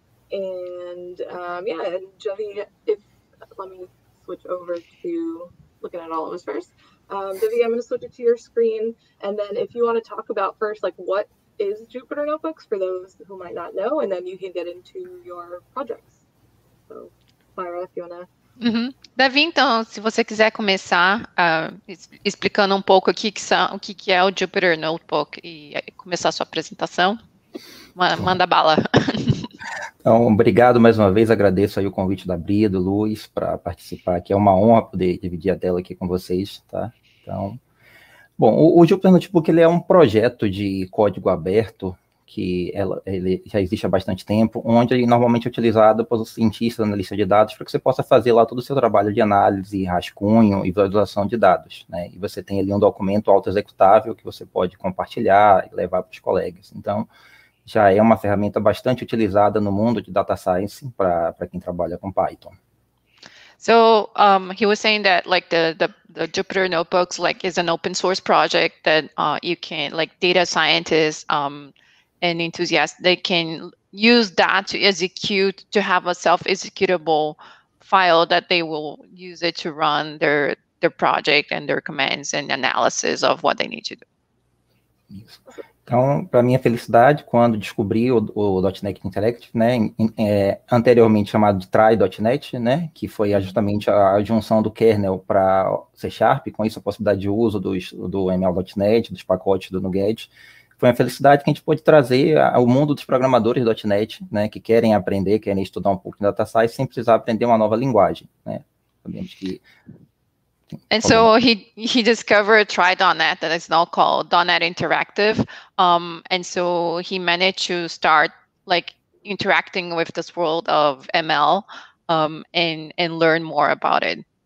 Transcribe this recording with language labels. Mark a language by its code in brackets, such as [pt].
[en] And yeah, and Davi, if let me switch over to looking at all of us first. Davi, I'm going to switch it to your screen, and then if you want to talk about first, like what is Jupyter Notebooks for those who might not know, and then you can get into your projects. Uhum. [pt] Davi, então, se você quiser começar explicando um pouco aqui o que é o Jupyter Notebook e começar a sua apresentação, manda bala. Então, obrigado mais uma vez, agradeço aí o convite da Bria, do Luiz, para participar aqui. É uma honra poder dividir a tela aqui com vocês, tá? Então, bom, o Jupyter Notebook ele é um projeto de código aberto, que ele já existe há bastante tempo, onde ele normalmente é utilizado para os cientistas, analistas de dados, para que você possa fazer lá todo o seu trabalho de análise, rascunho e visualização de dados, né? E você tem ali um documento auto-executável que você pode compartilhar e levar para os colegas. Então, já é uma ferramenta bastante utilizada no mundo de data science para quem trabalha com Python. [en] So he was saying that like the Jupyter Notebooks like is an open source project that you can like data scientists and enthusiasts, they can use that to execute, to have a self-executable file that they will use it to run their project and their commands and analysis of what they need to do. [pt] Isso. Então, para minha felicidade, quando descobri o .NET Interactive, né, anteriormente chamado de Try.NET, né, que foi justamente a junção do kernel para C Sharp, com isso a possibilidade de uso do ML.NET, dos pacotes do NuGet, foi uma felicidade que a gente pôde trazer ao mundo dos programadores .NET, né, que querem aprender, querem estudar um pouco de data science sem precisar aprender uma nova linguagem, né? Sabemos que... [en] And so he discovered Try.NET that is now called .NET Interactive. And so he managed to start like interacting with this world of ML and learn more about it.